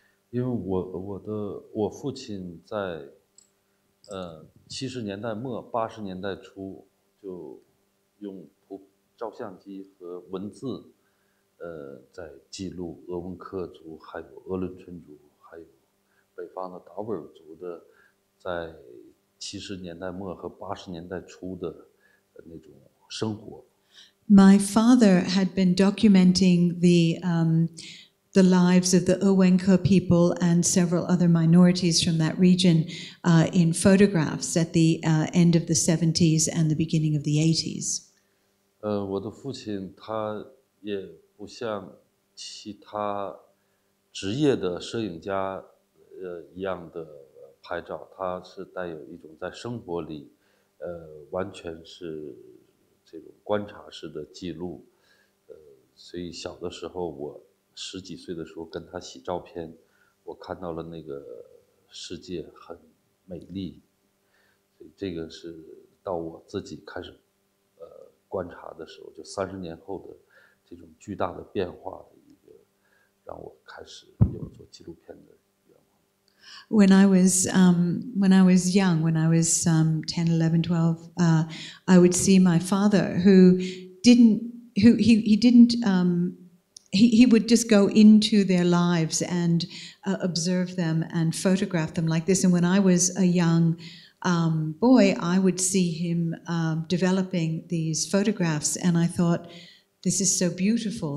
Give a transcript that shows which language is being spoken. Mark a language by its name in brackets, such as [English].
[Chinese] 因为我父亲在七十年代末八十年代初就用照相机和文字在记录鄂温克族，还有鄂伦春族。北方的达斡尔族的，在七十年代末和八十年代初的那种生活。 [English] My father had been documenting the lives of the Ewenki people and several other minorities from that region in photographs at the end of the 70s and the beginning of the 80s. [Chinese] 我的父亲他也不像其他职业的摄影家。一样的拍照，它是带有一种在生活里，完全是这种观察式的记录，所以小的时候，我十几岁的时候跟他洗照片，我看到了那个世界很美丽，所以这个是到我自己开始，观察的时候，就三十年后的这种巨大的变化的一个，让我开始有做纪录片的。 [English] When I was young, when I was 10, 11, 12, I would see my father who would just go into their lives and observe them and photograph them like this. And when I was a young boy, I would see him developing these photographs, and I thought, this is so beautiful.